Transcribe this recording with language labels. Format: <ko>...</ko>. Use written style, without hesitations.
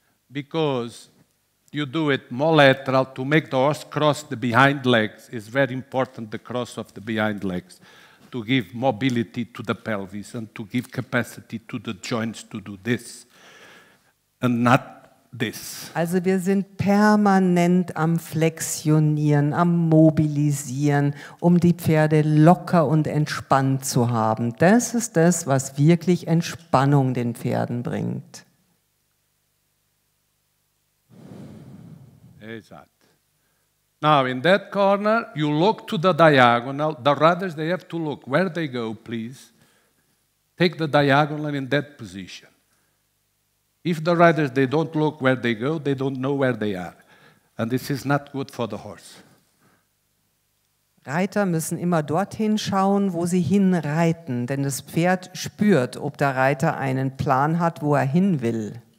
<en>Because you do it more lateral to make the horse cross the behind legs. It's very important, the cross of the behind legs, to give mobility to the pelvis and to give capacity to the joints to do this and not this.</en> <de>Also wir sind permanent am Flexionieren, am Mobilisieren, die Pferde locker und entspannt zu haben. Das ist das, was wirklich Entspannung den Pferden bringt.</de> <en>Now, in that corner, you look to the diagonal. The riders, they have to look where they go, please. Take the diagonal in that position. If the riders, they don't look where they go, they don't know where they are. And this is not good for the horse.</en> <de>Reiter müssen immer dorthin schauen, wo sie hinreiten, denn das Pferd spürt, ob der Reiter einen Plan hat, wo er hin will.</de>